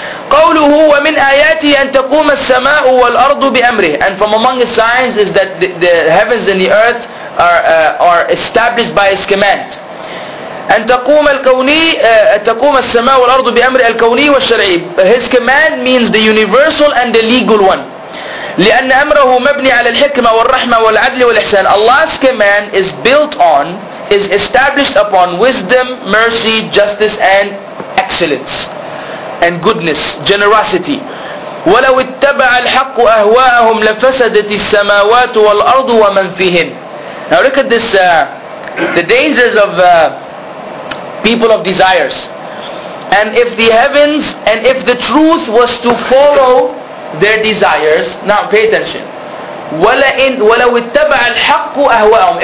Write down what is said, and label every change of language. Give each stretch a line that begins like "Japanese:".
Arabic: قوله ومن آياته أن تقوم السماء والأرض بأمره.
English: And from among the signs is that the heavens and the earth are established by his command.
Arabic: أن تقوم الكوني تقوم السماء والأرض بأمر الكوني والشرعي.
English: His command means the universal and the legal one.
Arabic: لأن أمره مبني على الحكمة والرحمة والعدل والإحسان.
English: Allah's command is built on, is established upon wisdom, mercy, justice and excellence and goodness, generosity.
Arabic: ولو اتبع الحق أهواءهم لفسدت السماوات والأرض ومن فيهن.
English: Now look at this, the dangers of people of desires. And if the heavens and if the truth was to follow their desires, now pay attention.
Arabic: وَلَوِ اتَّبَعَ الْحَقُّ أَهْوَاءُمْ.